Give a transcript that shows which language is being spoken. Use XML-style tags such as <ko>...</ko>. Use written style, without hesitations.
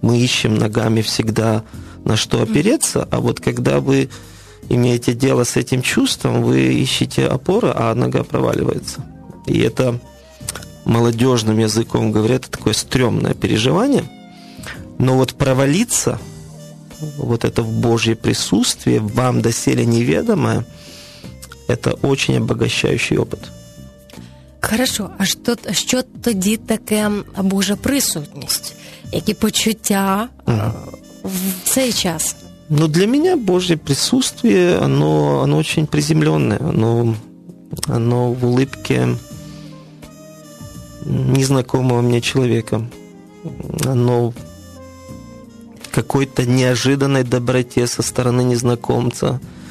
<ru>Мы ищем ногами всегда на что опереться, а вот когда вы имеете дело с этим чувством, вы ищете опоры, а нога проваливается. И это, молодежным языком говоря, это такое стрёмное переживание. Но вот провалиться, вот это в Божье присутствие, вам доселе неведомое, это очень обогащающий опыт. Хорошо, а что</ru> <uk>тоді таке Божа присутність? Які почуття в цей час?</uk> <ru>Ну, для меня Божье присутствие, оно очень приземленное. Оно в улыбке незнакомого мне человека. Оно какой-то неожиданной доброте со стороны незнакомца.</ru>